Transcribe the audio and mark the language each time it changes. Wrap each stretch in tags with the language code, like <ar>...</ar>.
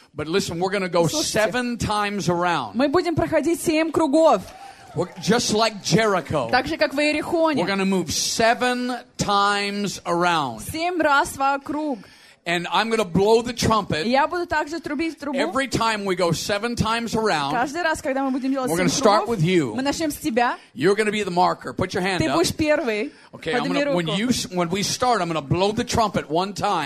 <en>But listen, we're going to go seven times around.</en> <ru>Мы будем проходить семь кругов.</ru> <en>Just like Jericho.</en> <ru>Так же как в Иерихоне.</ru> <en>We're going to move seven times around.</en> <ru>Семь раз вокруг.</ru> <en>And I'm going to blow the trumpet.</en> <ru>Я буду также трубить трубу.</ru> <en>Every time we go seven times around.</en> <ru>Каждый раз, когда мы будем делать семь кругов.</ru> <en>We're going to start with you.</en> <ru>Мы начнем с тебя.</ru> <en>You're going to be the marker. Put your hand</en> <ru>ты</ru> <en>up.</en> <ru>Ты будешь первый.</ru> <en>Okay, when we start, I'm going to blow the trumpet one time.</en>